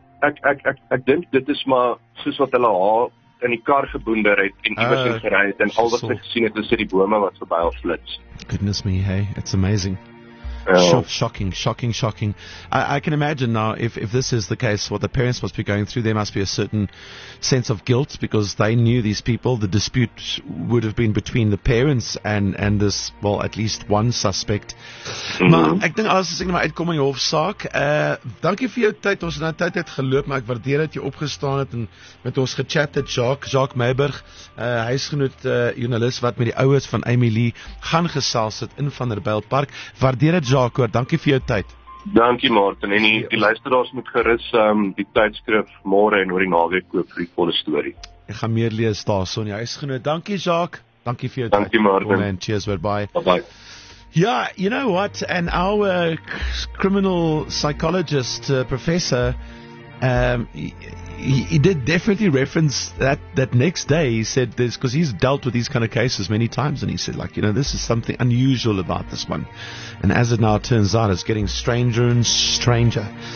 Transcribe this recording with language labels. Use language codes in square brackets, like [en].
[af] Ek dink dit is maar soos wat hulle haar in die kar geboender het en iewers in gery het en al wat hy gesien het is die bome wat verby al flits. [en] Goodness me, hey, it's amazing. Shocking. I can imagine now, if this is the case, what the parents must be going through, there must be a certain sense of guilt because they knew these people. The dispute would have been between the parents and this, well, at least one suspect. [af] Maar ek dink alles is seker maar uitkom in die hofsaak. Dankie vir jou tyd. Ons het nou tyd het geloop, maar ek waardeer dat jy opgestaan het en met ons gechat het, Jacques Meiberg, huisgenoot journalist wat met die ouers van Amy Lee gaan gesels het in Vanderbijlpark. Waardeer Jacques, dankie vir jou tyd. Dankie Martin, en die luisteraars moet gerus die tydskrif môre en oor die naweek koop vir die volle storie. Ek gaan meer lees daarson, jy is genoeg. Dankie Jacques, dankie vir jou tyd. Dankie Martin. [en] Oh, man, cheers, bye-bye. Bye-bye. Yeah, you know what, and our criminal psychologist professor, he did definitely reference that next day. He said this because he's dealt with these kind of cases many times, and he said, like, you know, this is something unusual about this one, and as it now turns out, it's getting stranger and stranger.